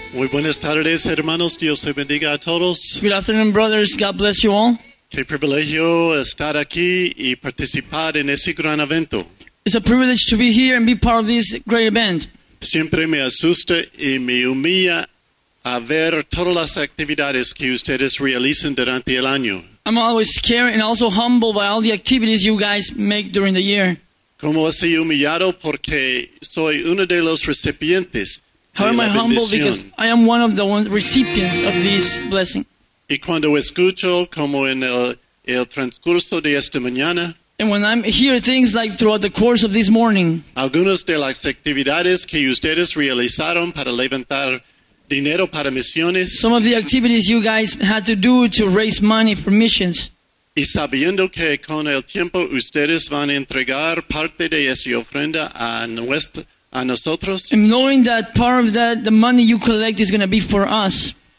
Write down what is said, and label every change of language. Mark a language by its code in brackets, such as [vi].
[es] Buenas tardes, hermanos. Dios te bendiga a todos. [en] Good afternoon, brothers. God bless you all. [es] Qué privilegio estar aquí y participar en ese gran evento. [en] It's a privilege to be here and be part of this great event. [es] Siempre me asusta y me humilla a ver todas las actividades que ustedes realizan durante el año. [en] I'm always scared and also humbled by all the activities you guys make during the year. [es] ¿Cómo así humillado? Porque soy uno de los recipientes. [en] How am I humble? Because I am one of the recipients of this blessing. [es] Y cuando escucho, como en el transcurso de esta mañana, [en] and when I hear things like throughout the course of this morning, [es] algunas de las actividades que ustedes realizaron para levantar dinero para misiones, [en] some of the activities you guys had to do to raise money for missions, [es] y sabiendo que con el tiempo ustedes van a entregar parte de esa ofrenda a nuestra A nosotros, [en] and knowing that part of that, the money you collect is going to be for us.